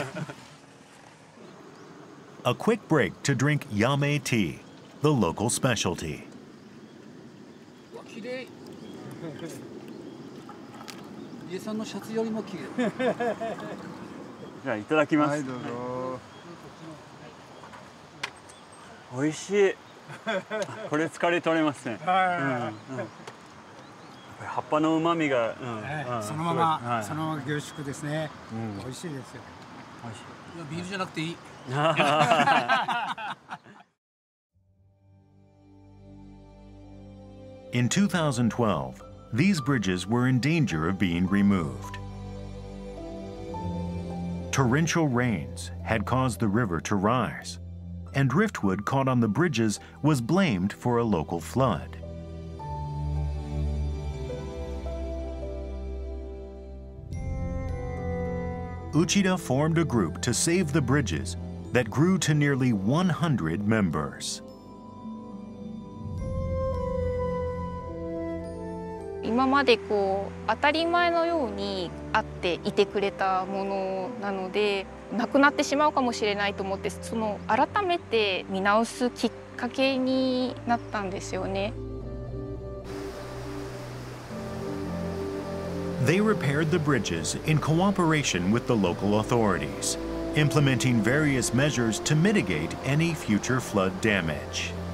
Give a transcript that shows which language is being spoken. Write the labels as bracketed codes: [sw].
[ja] 52歳。52歳。はい。まあまあ言ってるじゃないですか。何歳ですか？僕はあと2年ぐらいで70かな。ああ、すごい。ハートは50。ああ、そうですね。若い。僕より若いです。そうでしょ。バリバリですよ、元気。 [en] A quick break to drink yame tea, the local specialty. [ja] わ、綺麗。家さんのシャツよりも綺麗。じゃあいただきます。はい、どうぞ。美味しい。これ疲れ取れますね。はい。やっぱり葉っぱの旨味が、そのまま凝縮ですね。美味しいですよ。美味しい。ビールじゃなくていい。 [en] In 2012, these bridges were in danger of being removed. Torrential rains had caused the river to rise, and driftwood caught on the bridges was blamed for a local flood. Uchida formed a group to save the bridges that grew to nearly 100 members. [ja] 今までこう当たり前のようにあって、いてくれたものなので、なくなってしまうかもしれないと思って、その改めて見直すきっかけになったんですよね。 [en] They repaired the bridges in cooperation with the local authorities, implementing various measures to mitigate any future flood damage.